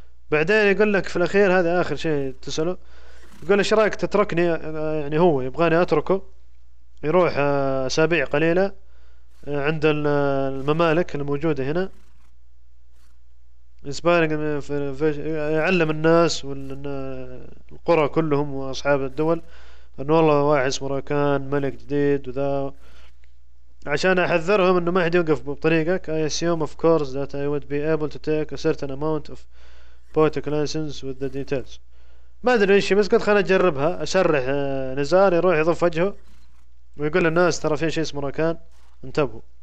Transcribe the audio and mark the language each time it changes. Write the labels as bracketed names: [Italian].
[Arabic] بعدين يقول لك في الاخير، هذا اخر شيء تسأله، يقول ايش رايك تتركني، يعني هو يبغاني اتركه يروح اسابيع قليلة عند الممالك الموجودة هنا، يسبارك يعلم الناس والقرى كلهم واصحاب الدول انه والله واحد اسمه راكان ملك جديد وذا، عشان احذرهم انه ما حد يوقف بطريقك. [English] I assume of course that I would be able to take a certain amount of poetic license with the details. [Arabic] ما ادري ايش، بس قلت خلنا اجربها، اسرح نزار يروح يضف وجهه ويقول للناس ترى في شيء اسمه راكان انتبهوا.